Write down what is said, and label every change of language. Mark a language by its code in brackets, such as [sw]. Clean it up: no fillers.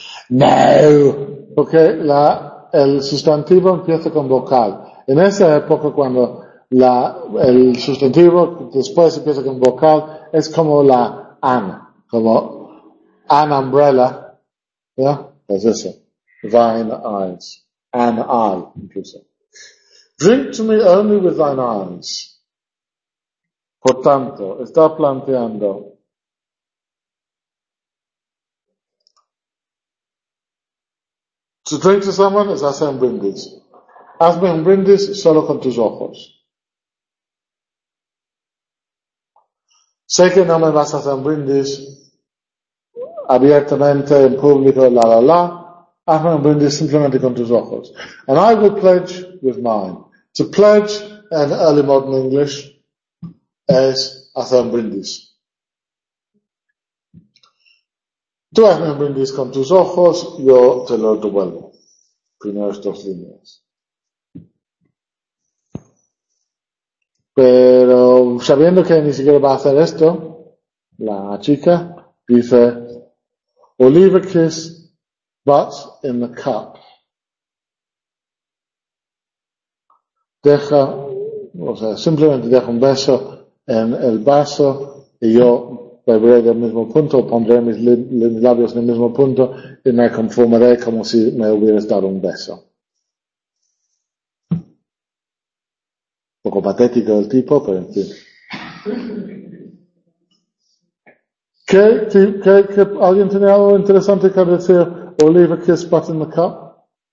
[es] No, porque el sustantivo empieza con vocal. En esa época, cuando el sustantivo después empieza con vocal, es como la an, como [en] an umbrella, [es] ¿ya? [en] ¿Yeah? [es] Es eso. [en] Thine eyes, an eye, [es] incluso. [en] Drink to me only with thine eyes. [es] Por tanto, está planteando. [en] To drink to someone is [es] hacer un brindis. Hazme un brindis solo con tus ojos. Sé que no me vas a hacer un brindis abiertamente en público, la la la. Hazme un brindis simplemente con tus ojos. [en] And I will pledge with mine. To pledge in early modern English [es] es hacer un brindis. Tú hazme un brindis con tus ojos, yo te lo devuelvo. Primero estos líneas. Pero sabiendo que ni siquiera va a hacer esto, la chica dice, [en] Oliver kiss, but in the cup. [es] Deja, o sea, simplemente deja un beso en el vaso y yo beberé del mismo punto, pondré mis labios en el mismo punto y me conformaré como si me hubieras dado un beso. Un poco patético el tipo, pero en fin. ¿Qué, ¿alguien tiene algo interesante que decir? [en] Oliver kiss but in the cup.